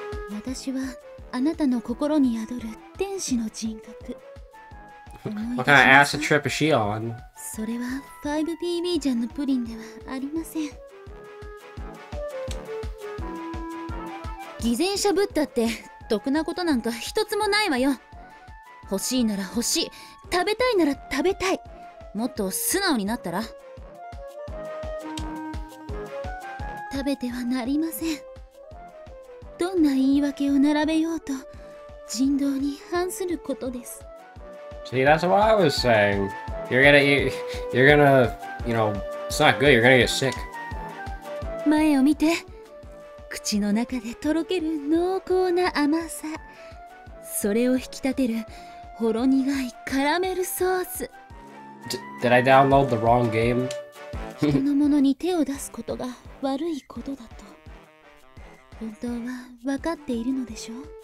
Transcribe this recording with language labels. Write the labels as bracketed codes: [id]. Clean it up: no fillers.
[ja] 私はあなたの心に宿る天使の人格。 [en] What kind of acid trip is she on? [ja] それは 5PB ちゃんのプリンではありません。偽善者ぶったって得なことなんか一つもないわよ。欲しいなら欲しい、食べたいなら食べたい。もっと素直になったら。食べてはなりません。どんな言い訳を並べようと人道に反することです。 [en] See, that's what I was saying. You're gonna, it's not good, you're gonna get sick. [ja] 前を見て、口の中でとろける濃厚な甘さ、それを引き立てるほろ苦いカラメルソース。 [en] Did I download the wrong game? [ja] 人のものに手を出すことが悪いことだと、本当は分かっているのでしょう。